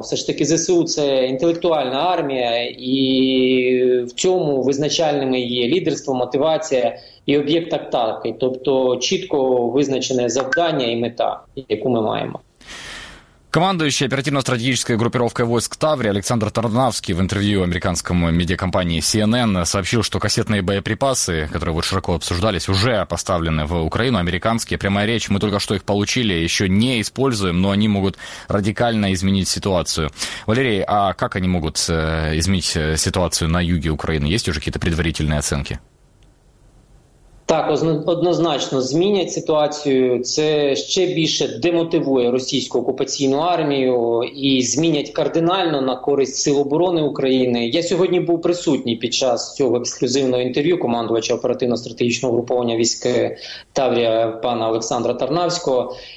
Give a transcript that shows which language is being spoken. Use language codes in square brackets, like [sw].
[uk] Все ж таки ЗСУ – це інтелектуальна армія, і в цьому визначальними є лідерство, мотивація і об'єкт атаки. Тобто чітко визначене завдання і мета, яку ми маємо. [ru] Командуючий оперативно-стратегической группировкой войск Таврия Александр Тарнавский в интервью американскому медиакомпании CNN сообщил, что кассетные боеприпасы, которые вот широко обсуждались, уже поставлены в Украину, американские. Прямая речь, мы только что их получили, еще не используем, но они могут радикально изменить ситуацию. Валерий, а как они могут изменить ситуацию на юге Украины? Есть уже какие-то предварительные оценки? [uk] Так, однозначно змінять ситуацію. Це ще більше демотивує російську окупаційну армію і змінять кардинально на користь Сил оборони України. Я сьогодні був присутній під час цього ексклюзивного інтерв'ю командувача оперативно-стратегічного угруповання військ Таврія пана Олександра Тарнавського.